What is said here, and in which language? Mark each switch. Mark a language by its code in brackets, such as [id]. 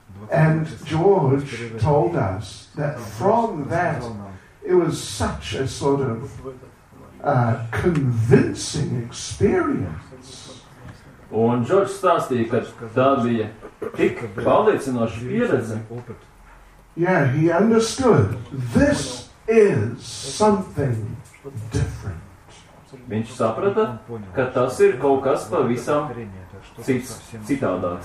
[en] And George told us that from that it was such a sort of convincing experience. [lv] Un George stāstīja, ka tā bija tik pārliecinoša pieredze. [en] Yeah, he understood. This is something different. [lv] Viņš saprata, ka tas ir kaut kas pavisam citādāks.